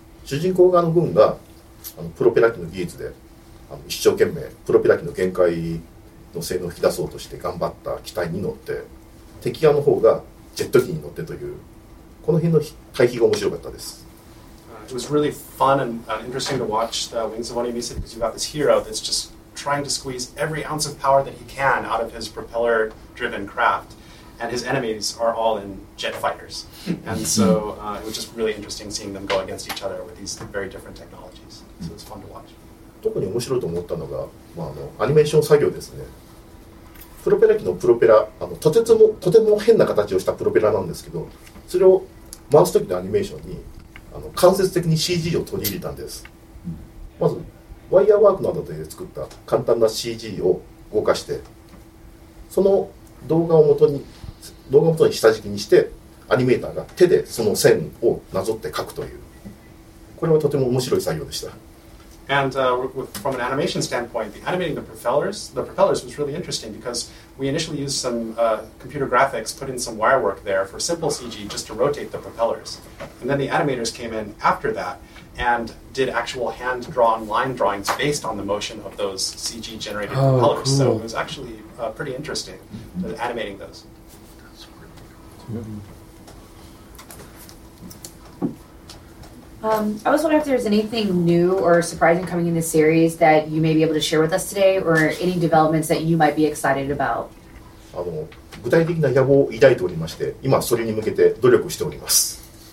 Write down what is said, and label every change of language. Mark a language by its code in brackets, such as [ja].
[ja] 主人公側の軍がプロペラ機の技術で一生懸命プロペラ機の限界の性能を引き出そうとして頑張った機体に乗って、敵側の方がジェット機に乗ってというこの辺の対比が面白かったです。 [en] It was really fun and interesting to watch the Wings of Onyamise because you got this hero that's justTrying to squeeze every ounce of power that he can out of his propeller-driven craft, and his enemies are all in jet fighters. And so it was just really interesting seeing them go against each other with these very different technologies. So it's fun to watch. [ja] 特に面白いと思ったのが、アニメーション作業ですね。プロペラ機のプロペラ、とても変な形をしたプロペラなんですけど、それを回す時のアニメーションに間接的に CG を取り入れたんです。まずワイヤーワークなどで作った簡単な CG を動かして、その動画をもとに下敷きにして、アニメーターが手でその線をなぞって描くという、これはとても面白い作業でした。 [en] And from an animation standpoint, the animating the propellers was really interesting because we initially used some computer graphics, put in some wire work there for simple CG just to rotate the propellers. And then the animators came in after that and did actual hand-drawn line drawings based on the motion of those CG-generated propellers. Cool. So it was actually pretty interesting, animating those. That's I was wondering if there's anything new or surprising coming in this series that you may be able to share with us today, or any developments that you might be excited about. [ja] 具体的な野望を抱いておりまして、今それに向けて努力しております。